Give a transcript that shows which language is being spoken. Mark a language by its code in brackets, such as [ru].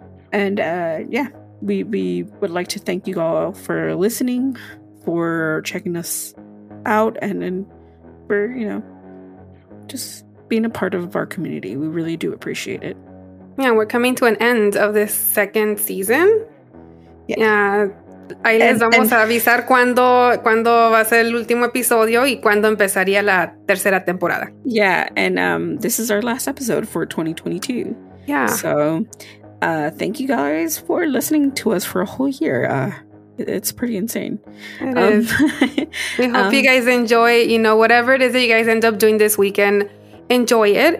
[en] And we would like to thank you all for listening, for checking us out, and then for, you know, just being a part of our community. We really do appreciate it. Yeah, we're coming to an end of this second season. Yeah. [es] Ahí les vamos a avisar cuándo va a ser el último episodio y cuándo empezaría la tercera temporada. [en] Yeah, and this is our last episode for 2022. Yeah. So, thank you guys for listening to us for a whole year. It's pretty insane. We hope you guys enjoy, you know, whatever it is that you guys end up doing this weekend. Enjoy it.